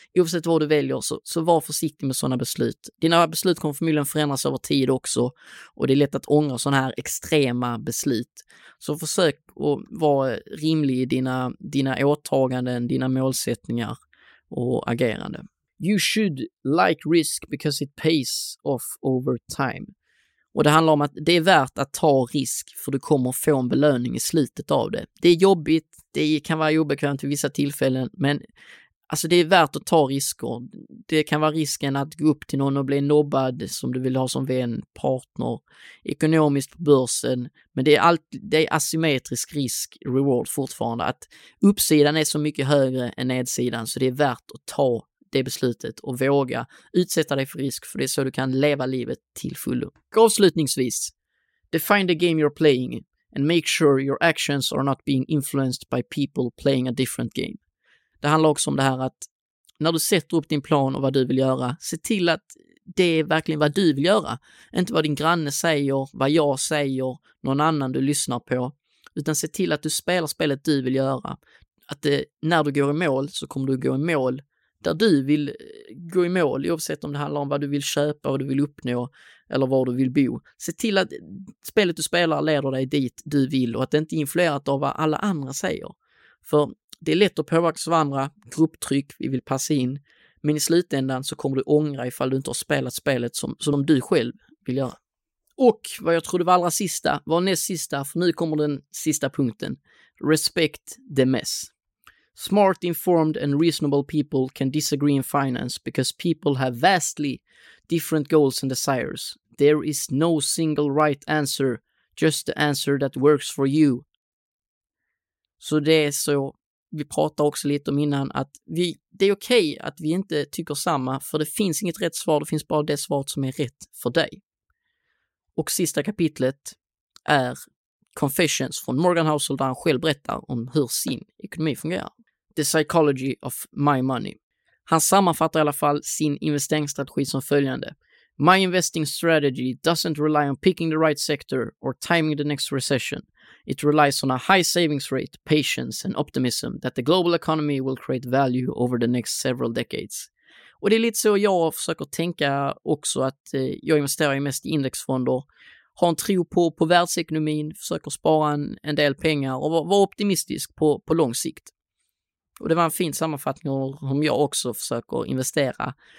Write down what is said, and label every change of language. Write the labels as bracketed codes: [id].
[sv] Oavsett vad du väljer, så var försiktig med sådana beslut. Dina beslut kommer förmodligen förändras över tid också, och det är lätt att ångra sådana här extrema beslut. Så försök att vara rimlig i dina åtaganden, dina målsättningar och agerande. [en] You should like risk because it pays off over time. [sv] Och det handlar om att det är värt att ta risk, för du kommer få en belöning i slutet av det. Det är jobbigt, det kan vara obekvämt i vissa tillfällen, men alltså det är värt att ta risker. Det kan vara risken att gå upp till någon och bli nobbad som du vill ha som vän, partner, ekonomiskt på börsen. Men det är asymmetrisk risk, reward fortfarande. Att uppsidan är så mycket högre än nedsidan, så det är värt att ta det beslutet och våga utsätta dig för risk, för det är så du kan leva livet till fullo. Och avslutningsvis, [en] define the game you're playing and make sure your actions are not being influenced by people playing a different game. [sv] Det handlar också om det här att när du sätter upp din plan och vad du vill göra, se till att det är verkligen vad du vill göra. Inte vad din granne säger, vad jag säger, någon annan du lyssnar på, utan se till att du spelar spelet du vill göra. Att det, när du går i mål, så kommer du gå i mål där du vill gå i mål, oavsett om det handlar om vad du vill köpa, vad du vill uppnå eller var du vill bo. Se till att spelet du spelar leder dig dit du vill och att det inte är influerat av vad alla andra säger. För det är lätt att påverkas av andra, grupptryck, vi vill passa in. Men i slutändan så kommer du ångra ifall du inte har spelat spelet som du själv vill göra. Och vad jag trodde var allra sista, var näst sista, för nu kommer den sista punkten. [en] Respect the mess. Smart, informed and reasonable people can disagree in finance because people have vastly different goals and desires. There is no single right answer, just the answer that works for you. [sv] Så det är så, vi pratade också lite om innan, att det är okej att vi inte tycker samma, för det finns inget rätt svar, det finns bara det svaret som är rätt för dig. Och sista kapitlet är Confessions från Morgan Housel, där han själv berättar om hur sin ekonomi fungerar. [en] The psychology of my money. [sv] Han sammanfattar i alla fall sin investeringsstrategi som följande. [en] My investing strategy doesn't rely on picking the right sector or timing the next recession. It relies on a high savings rate, patience and optimism that the global economy will create value over the next several decades. [sv] Och det är lite så jag försöker tänka också, att jag investerar mest i indexfonder. Ha en tro på världsekonomin, försöker spara en del pengar och vara optimistisk på lång sikt. Och det var en fin sammanfattning om jag också försöker investera.